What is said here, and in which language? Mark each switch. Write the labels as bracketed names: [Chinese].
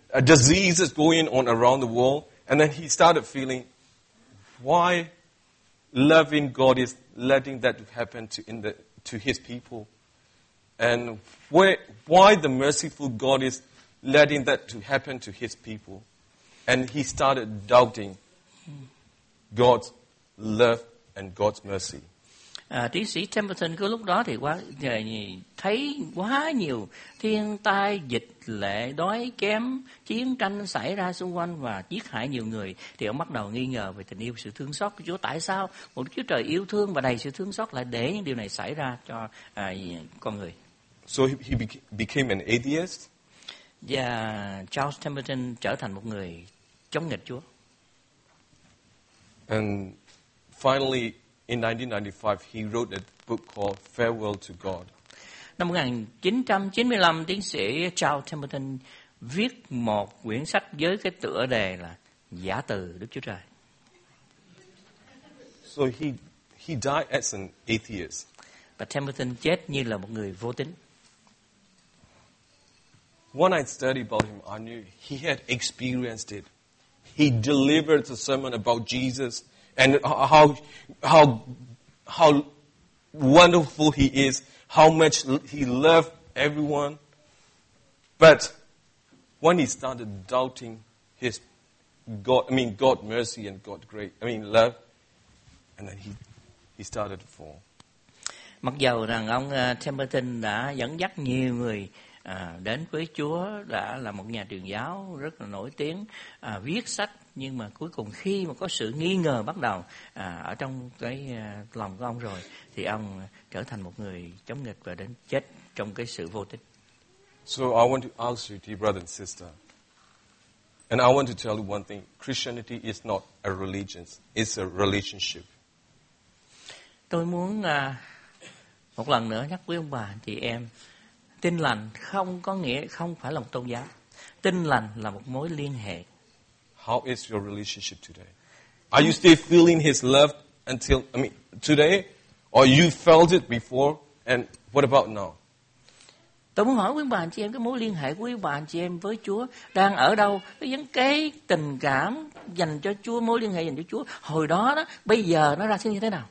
[English] diseases going on around the world, and then he started feeling, why loving God is letting that happen to his people, and why the merciful God is letting that to happen to his people. And he started doubting God's love and God's mercy. [Vietnamese] Tiến sĩ Templeton cứ lúc đó thì quá thấy quá nhiều thiên tai, dịch lệ, đói kém, chiến tranh xảy ra xung quanh và giết hại nhiều người, thì ông bắt đầu nghi ngờ về tình yêu, sự thương xót của Chúa. Tại sao một Chúa Trời yêu thương và đầy sự thương xót lại để những điều này xảy ra cho con người? [English] So he became an atheist. [Vietnamese] Và Charles Templeton trở thành một người chống nghịch Chúa. [English] And finally, in 1995, he wrote a book called Farewell to God. [Vietnamese] Năm 1995, tiến sĩ Charles Templeton viết một quyển sách với cái tựa đề là Giả Từ Đức Chúa Trời. [English] So he died as an atheist. [Vietnamese] Và Templeton chết như là một người vô tín. [English] When I studied about him, I knew he had experienced it. He delivered a sermon about Jesus and how wonderful he is, how much he loved everyone. But when he started doubting his God, I mean God mercy and God great, I mean love, and then he started to fall. [Vietnamese] Mặc dù rằng ông Templeton đã dẫn dắt nhiều người đến với Chúa, đã là một nhà truyền giáo rất là nổi tiếng, viết sách, nhưng mà cuối cùng khi mà có sự nghi ngờ bắt đầu ở trong cái lòng của ông rồi, thì ông trở thành một người chống nghịch và đến chết trong cái sự vô tín. [English] So I want to ask you, dear brother and sister, and I want to tell you one thing: Christianity is not a religion; it's a relationship. [Vietnamese] Tôi muốn một lần nữa nhắc với ông bà, chị em. Tin lành không có nghĩa không phải là một tôn giáo. Tin lành là một mối liên hệ. [English] How is your relationship today? Are you still feeling his love until, I mean, today? Or you felt it before? And what about now? [Vietnamese] Tôi muốn hỏi quý bà anh chị em, cái mối liên hệ của quý bà anh chị em với Chúa đang ở đâu? Cái tình cảm dành cho Chúa, mối liên hệ dành cho Chúa hồi đó đó, bây giờ nó ra như thế nào?